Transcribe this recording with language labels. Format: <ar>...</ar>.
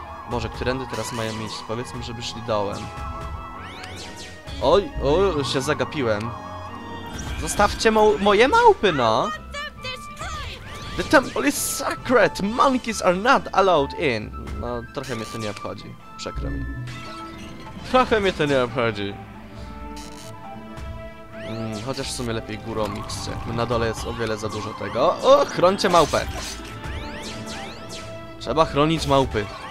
<pl>Boże, którędy teraz mają iść? Powiedzmy, żeby szli dołem. Oj, o, się zagapiłem. Zostawcie moje małpy, no!</pl> <en>The temple is sacred! Monkeys are not allowed in!</en> <pl>No, trochę mnie to nie obchodzi. Przekro mi. Trochę mnie to nie obchodzi. Chociaż w sumie lepiej górą idźcie. Na dole jest o wiele za dużo tego. O, chrońcie małpę! Trzeba chronić małpy.</pl>